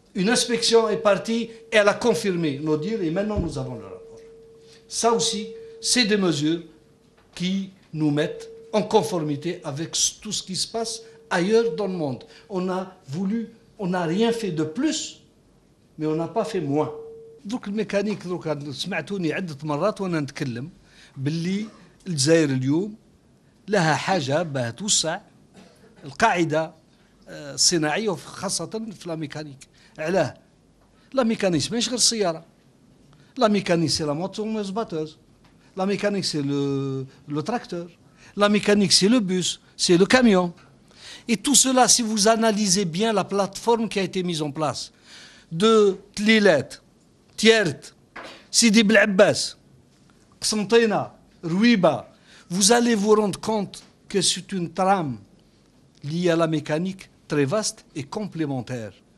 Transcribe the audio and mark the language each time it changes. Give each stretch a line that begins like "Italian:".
French: Une inspection est partie et elle a confirmé nos deals et maintenant nous avons le rapport. Ça aussi, c'est des mesures qui nous mettent en conformité avec tout ce qui se passe ailleurs dans le monde. On a voulu, on n'a rien fait de plus, mais on n'a pas fait moins. Donc le mécanique, donc, a entendu
Arabic: عدة مرات وانا نتكلم باللي الجزائر اليوم لها حاجة باه توسع القاعدة الصناعية وخاصة في الميكانيك. علاه؟
French: لا ميكانيك
Arabic: ماشي غير السيارة.
French: لا ميكانيك سي لا موتور موز باتوز. لا ميكانيك سي لو تراكتور. La mécanique, c'est le bus, c'est le camion. Et tout cela, si vous analysez bien la plateforme qui a été mise en place, de Tlilet, Tiert, Sidi Blabbas, Ksantena, Rouiba, vous allez vous rendre compte que c'est une trame liée à la mécanique très vaste et complémentaire.